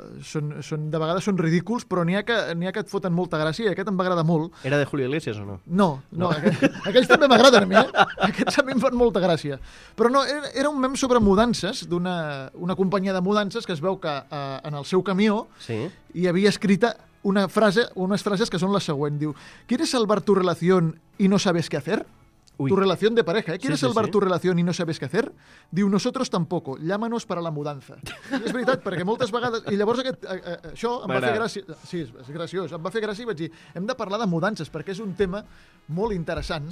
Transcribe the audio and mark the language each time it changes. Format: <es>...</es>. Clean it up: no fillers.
<ca>Són, de vegades són ridículs, però n'hi ha que et foten molta gràcia i aquest em va agradar molt. Era de Julio Iglesias o no? No. Aquells també m'agraden a mi, eh? Aquests a mi em fan molta gràcia. Però no, era un mem sobre mudances, d'una companyia de mudances que es veu que en el seu camió sí. Hi havia escrita una frase, unes frases que són la següent. Diu,</ca> <es>¿quieres salvar tu relación y no sabes qué hacer? Ui. Tu relación de pareja, ¿eh? ¿Quieres sí, sí, salvar sí. tu relación y no sabes qué hacer?</es> <ca>Diu,</ca> <es>nosotros tampoco, llámanos para la mudanza.</es> <ca>I és veritat, perquè moltes vegades... I llavors això em va fer gràcia... Sí, és graciós. Em va fer gràcia i vaig dir, hem de parlar de mudances, perquè és un tema molt interessant.</ca>